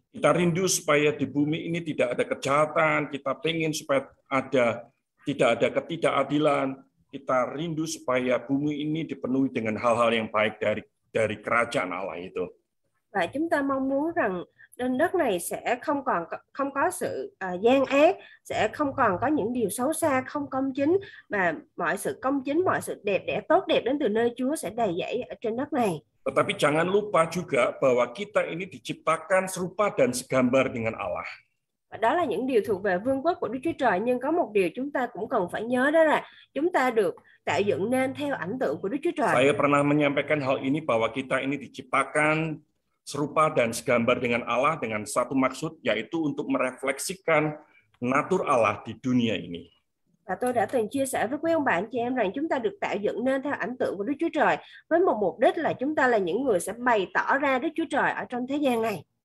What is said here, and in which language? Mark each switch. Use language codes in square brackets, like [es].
[id] Kita rindu supaya di bumi ini tidak ada kejahatan, kita pengen supaya ada tidak ada ketidakadilan, kita rindu supaya bumi ini dipenuhi dengan hal-hal yang baik dari kerajaan Allah itu. [vi] Và chúng ta mong muốn rằng trên đất này sẽ không có sự gian ác, sẽ không còn có những điều xấu xa, không công chính, mà mọi sự công chính, mọi sự đẹp đẽ tốt đẹp đến từ nơi Chúa sẽ đầy dẫy ở trên đất này. [id] Tetapi jangan lupa juga bahwa kita ini diciptakan serupa dan segambar dengan Allah. [vi] Và đó là những điều thuộc về vương quốc của Đức Chúa Trời, nhưng có một điều chúng ta cũng cần phải nhớ đó là chúng ta được tạo dựng nên theo ảnh tượng của Đức Chúa Trời. [id] Saya pernah menyampaikan hal ini bahwa kita ini diciptakan serupa dan segambar dengan Allah dengan satu maksud, yaitu untuk merefleksikan natur Allah di dunia ini. [vi] Và tôi đã từng chia sẻ với quý ông bạn chị em rằng chúng ta được tạo dựng nên theo ảnh tượng của Đức Chúa Trời với một mục đích là chúng ta là những người sẽ bày tỏ ra Đức Chúa Trời ở trong thế gian này.